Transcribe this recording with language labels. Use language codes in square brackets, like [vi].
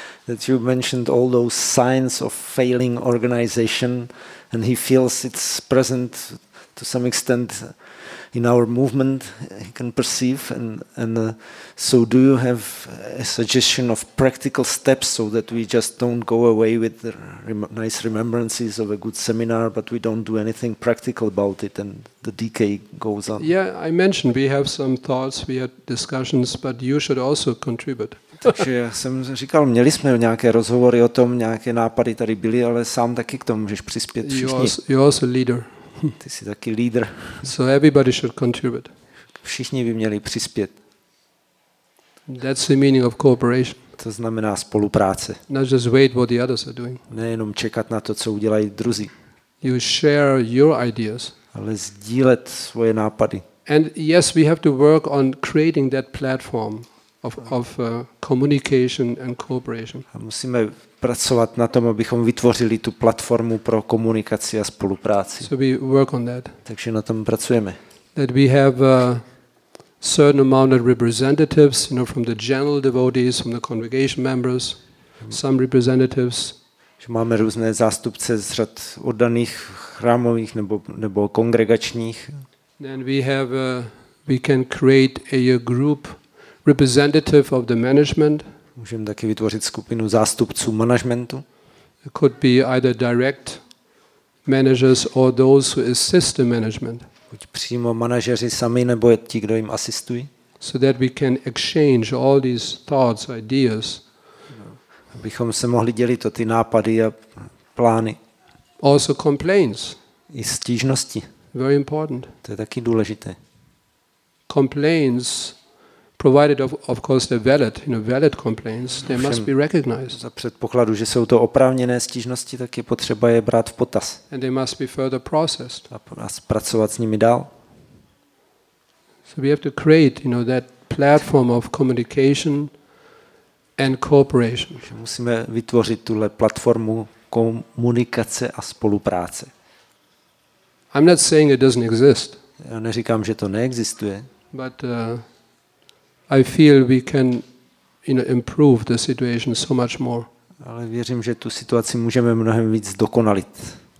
[en] That you mentioned all those signs of failing organization, and he feels it's present to some extent in our movement, he can perceive, and so do you have a suggestion of practical steps so that we just don't go away with the nice remembrances of a good seminar, but we don't do anything practical about it, and the decay goes on? Yeah, I mentioned we have some thoughts, we had discussions, but you should also contribute. [cs] Takže já jsem říkal, měli jsme nějaké rozhovory o tom, nějaké nápady tady byly, ale sám taky k tomu můžeš přispět všichni. [en] You're also a leader. [cs] Ty jsi taky leader. [en] So everybody should contribute. [cs] Všichni by měli přispět. [en] That's the meaning of cooperation. [cs] To znamená spolupráce. [en] Not just wait what the others are doing. [cs] Nejenom čekat na to, co udělají druzí. [en] You share your ideas. [cs] Ale sdílet svoje nápady. [en] And yes, we have to work on creating that platform of communication and cooperation. [cs] A musíme pracovat na tom, abychom vytvořili tu platformu pro komunikaci a spolupráci. [en] So we work on that. [cs] Takže na tom pracujeme. [en] That we have certain amount of representatives, you know, from the general devotees, from the congregation members, some representatives. [cs] Že máme různé zástupce z řad oddaných chrámových nebo kongregačních. [en] Then we have we can create a group representative of the management. [cs] Můžeme taky vytvořit skupinu zástupců managementu. [en] It could be either direct managers or those who assist the management. [cs] Buď přímo manažeři sami nebo ti, kdo jim asistují. [en] So that we can exchange all these thoughts, ideas. [cs] Abychom se mohli dělit o ty nápady a plány. [en] Also complaints. [cs] I stížnosti. [en] Very important. [cs] To je taky důležité. [en] Complaints, provided of course they're valid, you know, valid complaints, they must be recognized. [cs] Za předpokladu, že jsou to oprávněné stížnosti, tak je potřeba je brát v potaz. [en] And they must be further processed. [cs] A pracovat s nimi dál. [en] So we have to create, you know, that platform of communication and cooperation. [cs] Musíme vytvořit tuhle platformu komunikace a spolupráce. [en] I'm not saying it doesn't exist. [cs] Já neříkám, že to neexistuje. [en] But I feel we can, you know, improve the situation so much more. [cs] Ale věřím, že tu situaci můžeme mnohem víc dokonalit.